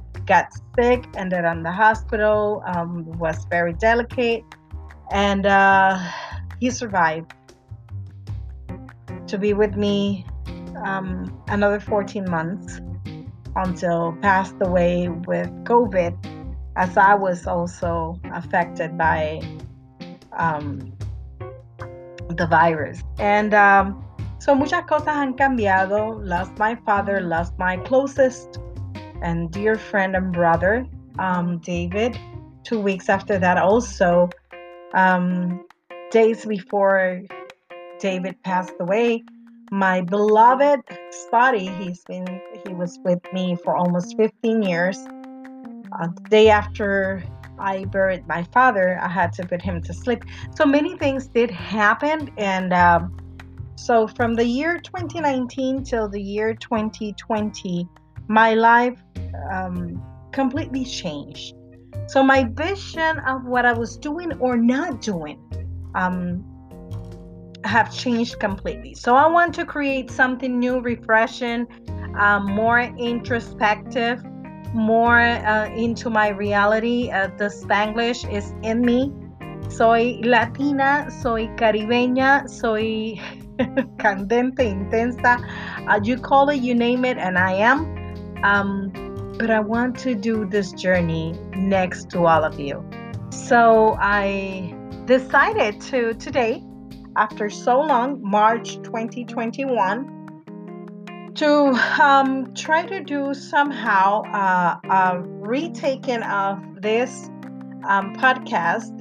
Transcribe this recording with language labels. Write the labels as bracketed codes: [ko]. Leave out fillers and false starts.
[en] Got sick, ended in the hospital, was very delicate, and he survived to be with me another 14 months until passed away with COVID, as I was also affected by the virus. And so [es] muchas cosas han cambiado. [en] Lost my father, lost my closest and dear friend and brother, David, 2 weeks after that also. Days before David passed away, my beloved Spotty, he was with me for almost 15 years. The day after I buried my father, I had to put him to sleep. So many things did happen. And so from the year 2019 till the year 2020, my life completely changed. So my vision of what I was doing or not doing have changed completely. So I want to create something new, refreshing, more introspective, more into my reality. The Spanglish is in me. [es] Soy Latina, soy Caribeña, soy candente, intensa. [en] You call it, you name it, and I am. But I want to do this journey next to all of you. So I decided to today, after so long, March 2021, to try to do somehow a retaking of this podcast.